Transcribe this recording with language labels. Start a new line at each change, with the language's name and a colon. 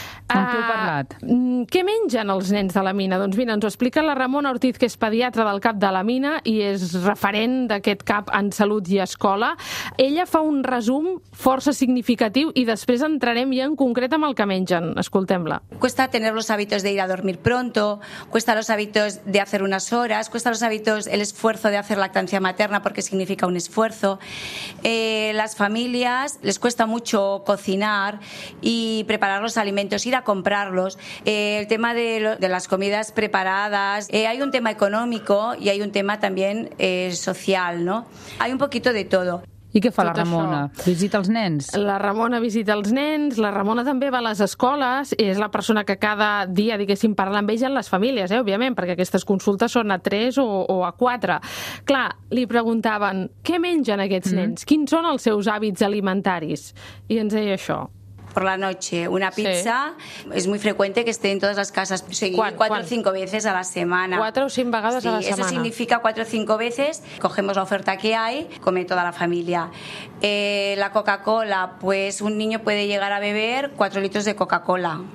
Catalan: Amb qui heu parlat? Què mengen els nens de la Mina? Doncs mira, ens ho explica la Ramona Ortiz, que és pediatra del cap de la Mina i és referent d'aquest cap en salut i escola. Ella fa un resum força significatiu i després entrarem ja en concret amb el que mengen. Escoltem-la.
Spanish: Cuesta tener los hábitos de ir a dormir pronto, cuesta los hábitos de hacer unas horas, cuesta los hábitos, el esfuerzo de hacer lactancia materna porque significa un esfuerzo. Las familias les cuesta mucho cocinar y preparar los alimentos, ir a comprarlos. El tema de las comidas preparadas, hay un tema económico y hay un tema también social, ¿no? Hay un poquito de todo.
Catalan: I què fa la Ramona? Visita els nens? La Ramona visita els nens, la Ramona també va a les escoles, és la persona que cada dia, diguéssim, parla amb ells i amb les famílies, òbviament, perquè aquestes consultes són a 3 o a 4. Clar, li preguntaven, què mengen aquests nens? Quins són els seus hàbits alimentaris? I ens deia això.
Spanish: Por la noche, una pizza, sí. Es muy frecuente que esté en todas las casas, cuatro o cinco veces a la semana. Cuatro o cinco
Catalan: vegades,
Spanish: sí, a la semana. Sí, eso significa cuatro o cinco veces, cogemos la oferta que hay, come toda la familia. La Coca-Cola, pues un niño puede llegar a beber 4 litros de Coca-Cola.